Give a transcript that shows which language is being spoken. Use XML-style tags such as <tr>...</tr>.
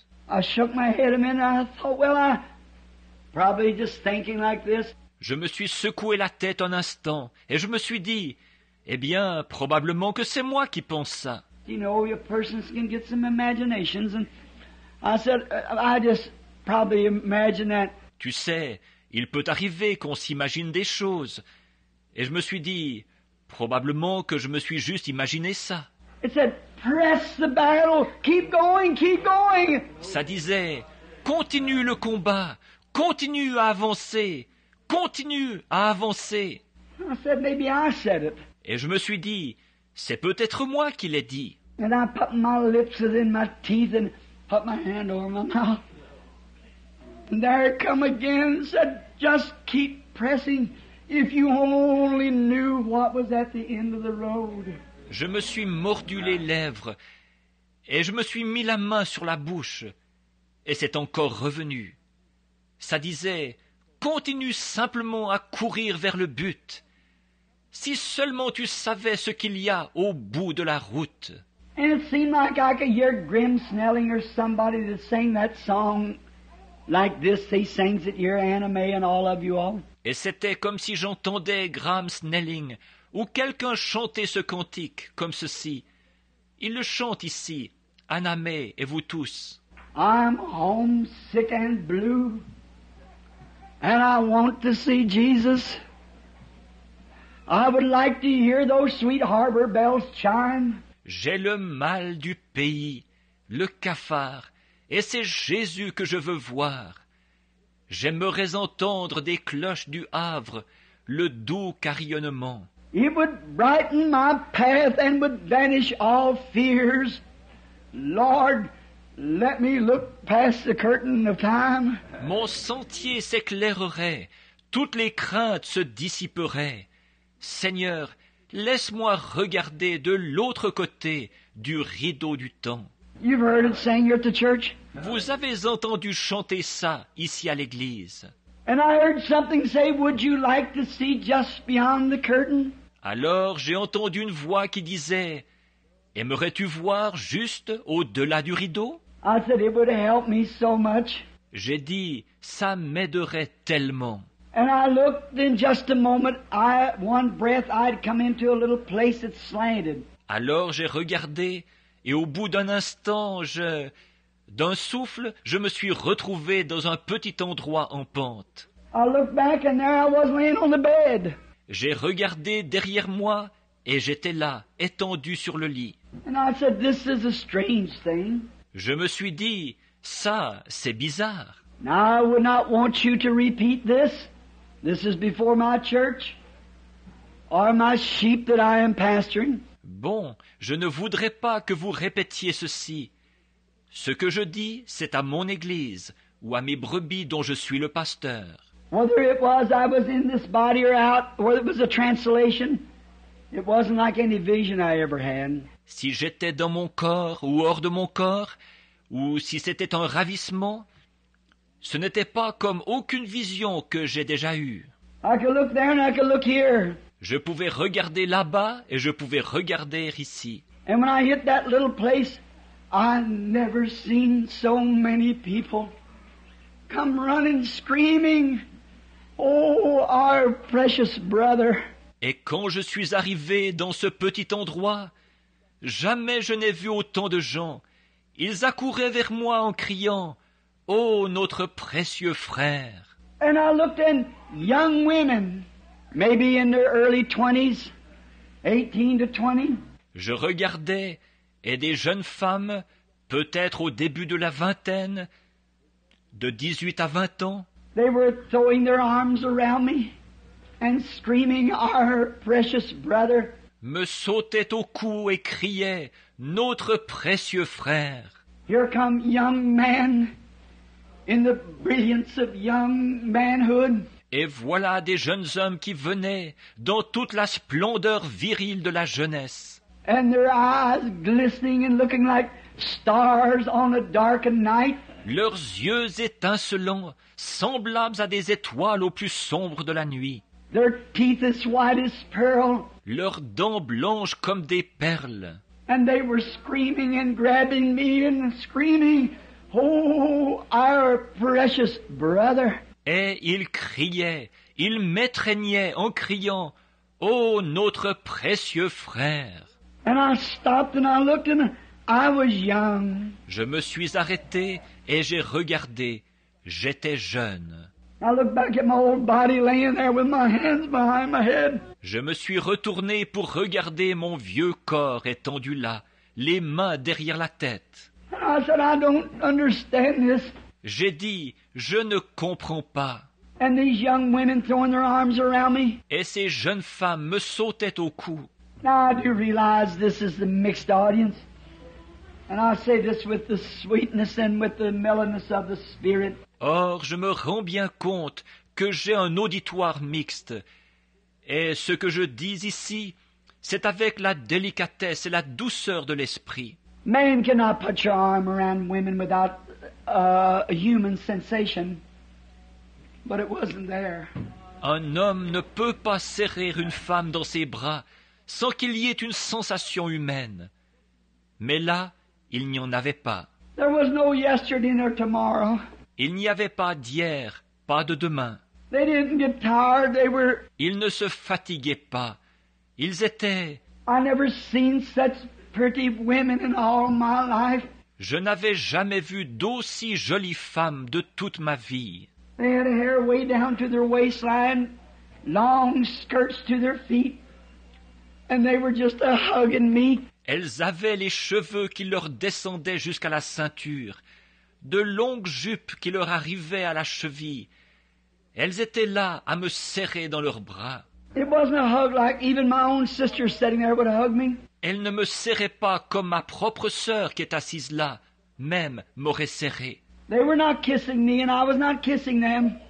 <en>I shook my head a minute, and I thought, well, I... Probably just thinking like this.</en> <fr>Je me suis secoué la tête un instant et je me suis dit, eh bien, probablement que c'est moi qui pense ça.</fr> <en>You know, your persons can get some imaginations, and I said, I just probably imagine that.</en> <fr>Tu sais, il peut arriver qu'on s'imagine des choses, et je me suis dit, probablement que je me suis juste imaginé ça.</fr> <en>It said, press the battle, keep going, keep going.</en> <fr>Ça disait, continue le combat, continue à avancer, continue à avancer.</fr> <en>I said, maybe I said it.</en> <fr>Et je me suis dit, c'est peut-être moi qui l'ai dit.</fr> <en>And I put my lips within my teeth and put my hand over my mouth. And there it come again and said, just keep pressing. If you only knew what was at the end of the road.</en> <fr>Je me suis mordu les lèvres et je me suis mis la main sur la bouche et c'est encore revenu. Ça disait, continue simplement à courir vers le but. Si seulement tu savais ce qu'il y a au bout de la route.</fr> <en>And it seemed like I could hear Grim Snelling or somebody that sang that song like this. He sings it, your anime and all of you all.</en> <fr>Et c'était comme si j'entendais Graham Snelling ou quelqu'un chanter ce cantique comme ceci. Il le chante ici, Anamé et vous tous.</fr> <en>I'm homesick and blue, and I want to see Jesus. I would like to hear those sweet harbor bells chime.</en> <fr>J'ai le mal du pays, le cafard, et c'est Jésus que je veux voir. J'aimerais entendre des cloches du Havre, le doux carillonnement.</fr> <en>It would brighten my path and would banish all fears. Lord, let me look past the curtain of time.</en> <fr>Mon sentier s'éclairerait, toutes les craintes se dissiperaient. Seigneur, laisse-moi regarder de l'autre côté du rideau du temps.</fr> <en>You've heard it saying you're at the church.</en> <fr>Vous avez entendu chanter ça ici à l'église.</fr> <en>And I heard something say, would you like to see just beyond the curtain?</en> <fr>Alors j'ai entendu une voix qui disait, aimerais-tu voir juste au-delà du rideau?</fr> <en>I said, it would help me so much.</en> <fr>J'ai dit, ça m'aiderait tellement.</fr> <en>And I looked in just a moment, one breath, I'd come into a little place that slanted.</en> <fr>Alors j'ai regardé, et au bout d'un instant, d'un souffle, je me suis retrouvé dans un petit endroit en pente.</fr> <en>I looked back and there I was laying on the bed.</en> <fr>J'ai regardé derrière moi et j'étais là, étendu sur le lit.</fr> <en>And I said, this is a strange thing.</en> <fr>Je me suis dit, ça, c'est bizarre.</fr> <en>Now I would not want you to repeat this. This is before my church or my sheep that I am pastoring.</en> <fr>Bon, je ne voudrais pas que vous répétiez ceci. Ce que je dis, c'est à mon église ou à mes brebis dont je suis le pasteur.</fr> <en>Whether it was I was in this body or out, whether it was a translation, it wasn't like any vision I ever had.</en> <fr>Si j'étais dans mon corps ou hors de mon corps, ou si c'était un ravissement, ce n'était pas comme aucune vision que j'ai déjà eue.</fr> <en>I could look there and I could look here.</en> <fr>Je pouvais regarder là-bas et je pouvais regarder ici.</fr> <en>And when I hit that little place, I never seen so many people come running screaming, oh, our precious brother.</en> <fr>Et quand je suis arrivé dans ce petit endroit, jamais je n'ai vu autant de gens. Ils accouraient vers moi en criant, oh, notre précieux frère.</fr> <en>And I looked in young women. Maybe in their early 20s, 18 to 20.</en> <fr>Je regardais, et des jeunes femmes, peut-être au début de la vingtaine, de 18 à 20 ans.</fr> <en>They were throwing their arms around me and screaming, our precious brother.</en> <fr>Me sautaient au cou et criaient, notre précieux frère.</fr> <en>Here come young men in the brilliance of young manhood.</en> <fr>Et voilà des jeunes hommes qui venaient dans toute la splendeur virile de la jeunesse.</fr> <en>And their eyes glistening and looking like stars on a dark night.</en> <fr>Leurs yeux étincelants, semblables à des étoiles au plus sombre de la nuit.</fr> <en>Their teeth as white as pearl.</en> <fr>Leurs dents blanches comme des perles.</fr> <en>And they were screaming and grabbing me and screaming, oh, our precious brother.</en> <fr>Et ils criaient, ils m'étreignaient en criant, « Oh, notre précieux frère !»</fr> <en>And I stopped and I looked and I was young.</en> <fr>Je me suis arrêté et j'ai regardé. J'étais jeune.</fr> <en>I looked back at my old body laying there with my hands behind my head.</en> <fr>Je me suis retourné pour regarder mon vieux corps étendu là, les mains derrière la tête.</fr> <en>I said, I don't understand this.</en> <fr>J'ai dit, je ne comprends pas.</fr> <en>And these young women throwing their arms around me.</en> <fr>Et ces jeunes femmes me sautaient au cou.</fr> <en>Now, I do realize this is the mixed audience. And I say this with the sweetness and with the mellowness of the Spirit.</en> <fr>Or, je me rends bien compte que j'ai un auditoire mixte. Et ce que je dis ici, c'est avec la délicatesse et la douceur de l'esprit.</fr> <en>Man cannot put your arm around women without a human sensation. But it wasn't there.</en> <fr>Un homme ne peut pas serrer une femme dans ses bras sans qu'il y ait une sensation humaine. Mais là, il n'y en avait pas.</fr> <en>There was no yesterday nor tomorrow.</en> <fr>Il n'y avait pas d'hier, pas de demain.</fr> <en>They didn't get tired. They were...</en> <fr>Ils ne se fatiguaient pas. Ils étaient...</fr> <en>I never seen such pretty women in all my life.</en> <fr>Je n'avais jamais vu d'aussi jolies femmes de toute ma vie.</fr> <en>They had hair way down to their waistline, long skirts to their feet, and they were just a hugging me.</en> <fr>Elles avaient les cheveux qui leur descendaient jusqu'à la ceinture, de longues jupes qui leur arrivaient à la cheville. Elles étaient là à me serrer dans leurs bras.</fr> <en>It wasn't a hug like even my own sister sitting there would hug me.</en> <fr>Elles ne me serraient pas comme ma propre sœur qui est assise là, même m'aurait serré.</fr> <en>They were not kissing me and I was not kissing them.</en>